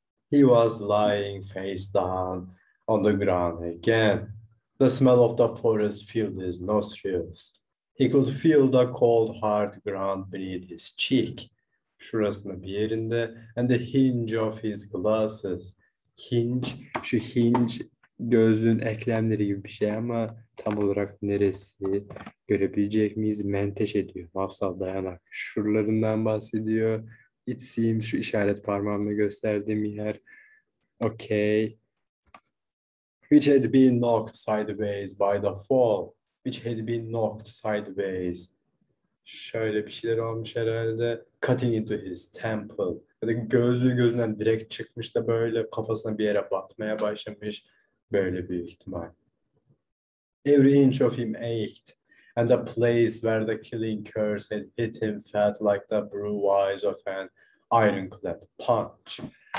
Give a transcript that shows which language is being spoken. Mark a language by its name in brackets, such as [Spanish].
[English] He was lying face down on the ground again. The smell of the forest filled his nostrils. He could feel the cold, hard ground beneath his cheek. [Turkish] Şurasını bir yerinde [English] and the hinge of his glasses. [Turkish] Hinge, şu hinge gözün eklemleri gibi bir şey ama tam olarak neresi görebilecek miyiz? Menteşe diyor. Mafsal dayanak. Şuralarından bahsediyor. [English] It seems [Turkish] şu işaret parmağımla gösterdiğim yer. Okay. [English] Which had been knocked sideways by the fall. Which had been knocked sideways. [Turkish] Şöyle bir şeyler olmuş herhalde. [English] Cutting into his temple. [Turkish] Yani gözlüğü gözünden direkt çıkmış da böyle kafasına bir yere batmaya başlamış. Böyle bir ihtimal. [English] Every inch of him ached. And the place where the killing curse had hit him felt like the bruise of an ironclad punch.